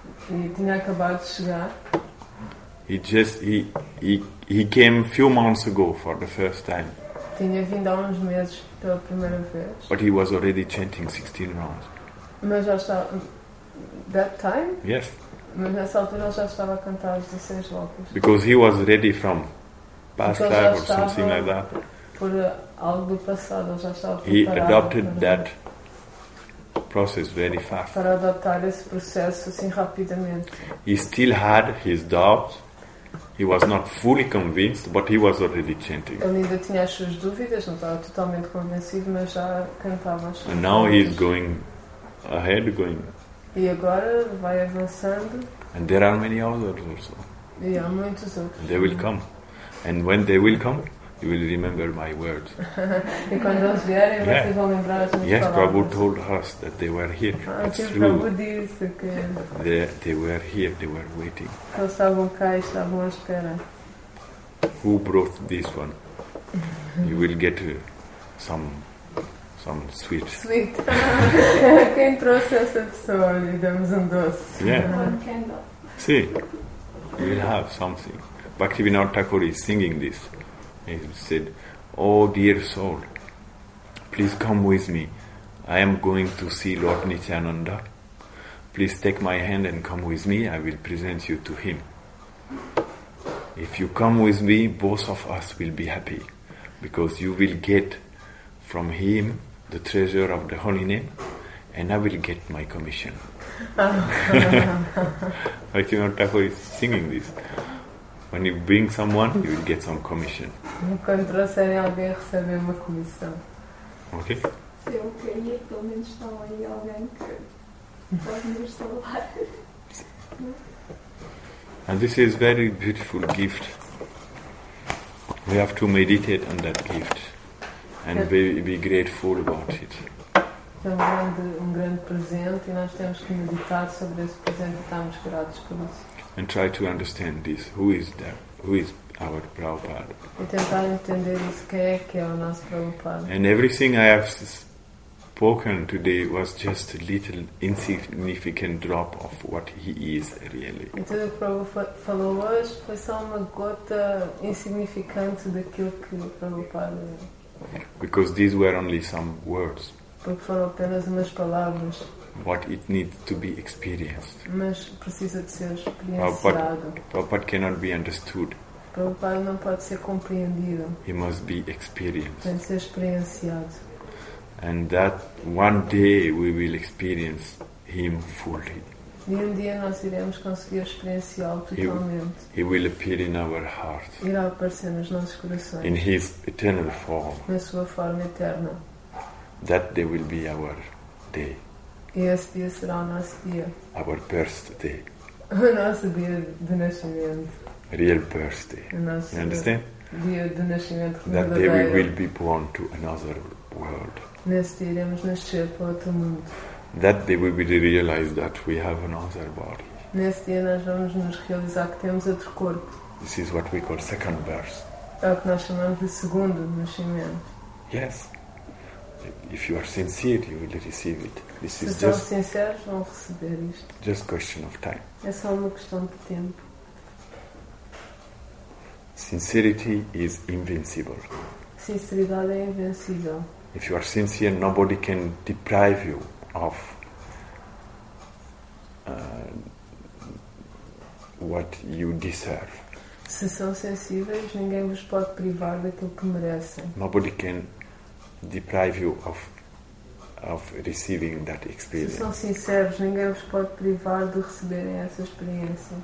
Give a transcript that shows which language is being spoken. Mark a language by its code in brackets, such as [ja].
[pt] E tinha acabado de chegar. [en] He came few months ago for the first time. [pt] Tinha vindo há uns meses pela primeira vez. [en] But he was already chanting 16 rounds. [pt] Mas já está, [en] that time? Yes. [pt] Mas nessa altura ele já estava a cantar os 16 locos. [en] Because he was ready from past [pt] então [en] life or something like that. [pt] Por algo do passado, ele já estava preparado. [en] He adopted that process very fast. [pt] Para adaptar esse processo assim rapidamente. [en] He still had his doubts. He was not fully convinced, but he was already chanting. [pt] Ele ainda tinha as suas dúvidas, não estava totalmente convencido, mas já cantava. [en] And now he is going ahead, going. [pt] E agora vai avançando. [en] And there are many others also. [pt] E há muitos outros. [en] They will come. And when they will come, You will remember my words. [pt] E quando eles vierem, vocês vão lembrar as minhas [en] yes, [pt] palavras. [en] Yes, Prabhu told us that they were here. It's true. [pt] Prabhu disse que... [en] They were here, they were waiting. [pt] Eles estavam cá e estavam à espera. [en] Who brought this one? You will get some sweets. Sweet. [pt] Quem trouxe essa pessoa? Lhe damos doce. [en] Yeah. One candle. See, you will have something. Bhaktivinoda Thakur is singing this. He said, oh dear soul, please come with me. I am going to see Lord Nityananda. Please take my hand and come with me. I will present you to him. If you come with me, both of us will be happy, because you will get from him the treasure of the holy name, and I will get my commission. Bhaktivinoda Thakur is singing this. When you bring someone, you will get some commission. [pt] Quando trouxerem alguém, recebem uma comissão. [en] Ok? [pt] Se eu cair, pelo menos estão aí alguém que pode me [en] And this is very beautiful gift. We have to meditate on that gift and be grateful about it. [pt] É um grande presente e nós temos que meditar sobre esse presente e estamos gratos por isso. [en] And try to understand this. Who is that? Who is our Prabhupada? [pt] E tentar entender isso, quem é que é o nosso Prabhupada. [en] And everything I have spoken today was just a little insignificant drop of what he is really. [pt] E tudo o que o Prabhupada falou hoje foi só uma gota insignificante daquilo que o Prabhupada é. [en] Because these were only some words. [pt] Porque foram apenas umas palavras. [en] What it needs to be experienced. [pt] Mas precisa de ser experienciado. [en] Prabhupada cannot be understood. [pt] Prabhupada não pode ser compreendido. [en] He must be experienced. [pt] Tem de ser experienciado. [en] And that one day we will experience him fully. [pt] E um dia nós iremos conseguir experienciá-lo totalmente. [en] He will appear in our hearts. [pt] Irá aparecer nos nossos corações. [en] In his eternal form. [pt] Na sua forma eterna. [en] That day will be our day. [pt] E esse dia será o nosso dia. [en] Our birthday. [pt] O nosso dia de nascimento. [en] Real birthday. [pt] O nosso [en] you understand? [pt] Dia de nascimento. [en] That day we will be born to another world. [pt] Nesse dia iremos nascer para outro mundo. [en] That day we will realize that we have another body. [pt] Nesse dia nós vamos nos realizar que temos outro corpo. [en] This is what we call second birth. [pt] É o que nós chamamos de segundo nascimento. [en] Yes. If you are sincere, you will receive it. This [pt] Se [en] is just [pt] sinceros, vão receber isto. [en] Just question of time. [pt] É só uma questão de tempo. [en] Sincerity is invincible. [pt] Sinceridade é invencível. [en] If you are sincere, nobody can deprive you of what you deserve. [pt] Se são sensíveis, ninguém vos pode privar daquilo que merecem. [en] Nobody can deprive you of receiving that experience. [pt] Se são sinceros, ninguém vos pode privar de receberem essa experiência.